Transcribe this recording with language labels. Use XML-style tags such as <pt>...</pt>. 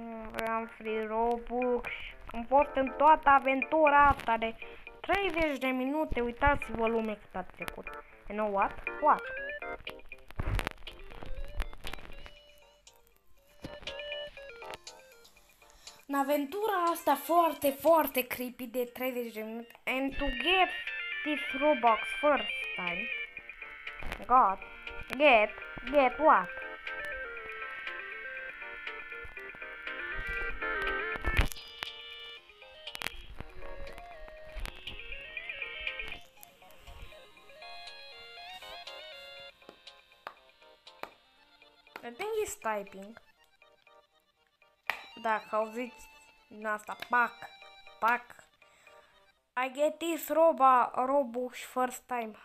<ro>Vreau free Robux. Am fost în toată aventura asta de 30 de minute. Uitați-vă lume cât a trecut.</ro> <en>You know what? What?</en> <ro>În aventura asta foarte, foarte creepy de 30 de minute.</ro> <en>And to get this Robux first time. God. Get what? I think he's typing.</en> <ro>Dacă auziți din asta, pac.</ro> <en>I get this Robux first time.</en>